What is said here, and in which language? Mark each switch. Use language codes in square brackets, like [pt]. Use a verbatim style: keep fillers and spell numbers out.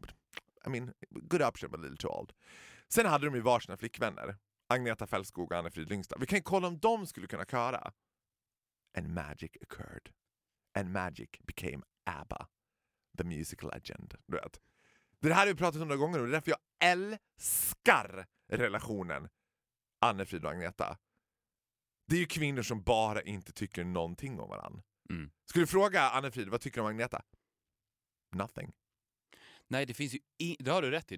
[en] But, I mean, good option but a little too old. [sv] Sen hade de ju varsina flickvänner. Agneta Fällskog och Anne-Frid Lyngstad. Vi kan ju kolla om de skulle kunna köra. [en] And magic occurred. And magic became ABBA, the musical legend, [sv] du vet. Det här har vi pratat hundra gånger nu. Det är därför jag älskar relationen Anne-Frid och Agneta. Det är ju kvinnor som bara inte tycker någonting om varandra. Mm. Skulle du fråga Anne-Frid, vad tycker du om Agneta? [en] Nothing. [sv] Nej, det finns ju... I- det har du rätt i.